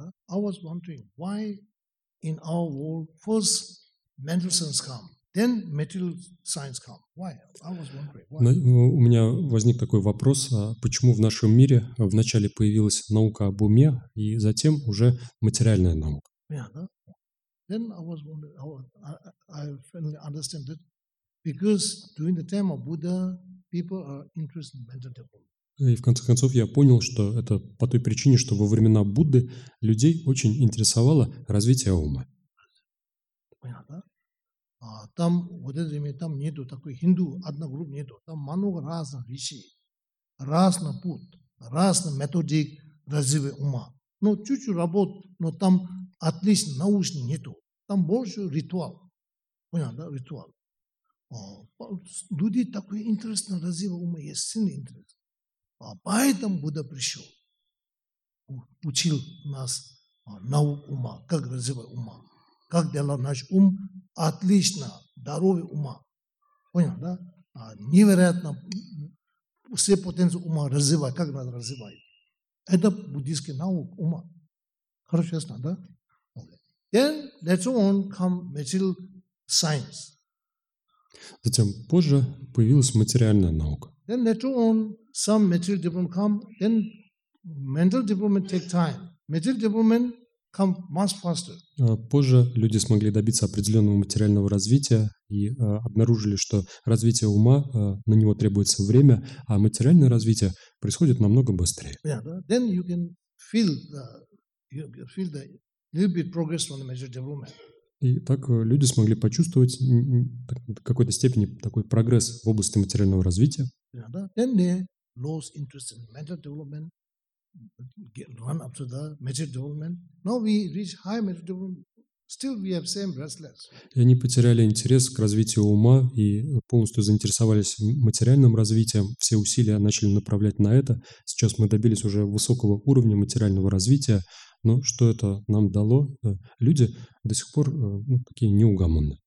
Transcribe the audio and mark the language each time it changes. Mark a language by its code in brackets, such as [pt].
[en] I was wondering why in our world, first mental science come, then material science come. Why? I was wondering. Why? [ru] У меня возник такой вопрос, почему в нашем мире вначале появилась наука об уме и затем уже материальная наука? Yeah, да? [en] Then I was wondering, I finally understand that because during the time of Buddha, people are interested in mental development. [ru] И в конце концов я понял, что это по той причине, что во времена Будды людей очень интересовало развитие ума. Понятно. А там, вот это время, там нету такой хинду, одна группа нету. Там много разных вещей, разный путь, разный методик развития ума. Но чуть-чуть работ, но там отлично научно нету. Там больше ритуал. Понятно, ритуал. А, люди такой интересно развивают ума, есть сильный интерес. Поэтому Будда пришел, учил нас науку ума, как развивать ума, как делать наш ум отлично, здоровье ума. Понял, да? Невероятно все потенции ума развивать, как надо развивать. Это буддийская наука ума. Хорошо, ясно, да? [en] Okay. Then, later on, come material science. [ru] Затем позже появилась материальная наука. [en] Then later on, some material development come, then mental development take time. Material development come much faster. [ru] Позже люди смогли добиться определенного материального развития и обнаружили, что развитие ума, на него требуется время, а материальное развитие происходит намного быстрее. [en] Yeah, then you can feel the little bit progress from the material development. [ru] И так люди смогли почувствовать в какой-то степени такой прогресс в области материального развития. [en] Then they lost interest in mental development, run up to the material development. Now we reach high mental development, still we have same restless. [ru] И они потеряли интерес к развитию ума и полностью заинтересовались материальным развитием. Все усилия начали направлять на это. Сейчас мы добились уже высокого уровня материального развития. Но что это нам дало? Люди до сих пор такие неугомонные.